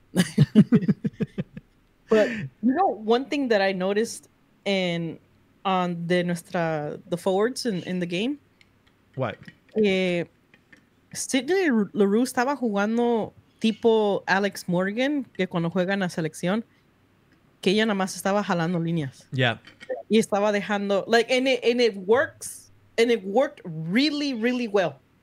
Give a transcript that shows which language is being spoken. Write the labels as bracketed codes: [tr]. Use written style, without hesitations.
[en] But, you know, one thing that I noticed on the forwards in the game. What? [es] Sidney LaRue estaba jugando tipo Alex Morgan, que cuando juega en la selección, que ella nada más estaba jalando líneas. [en] Yeah. [es] Y estaba dejando, [en] like, and it worked really, really well.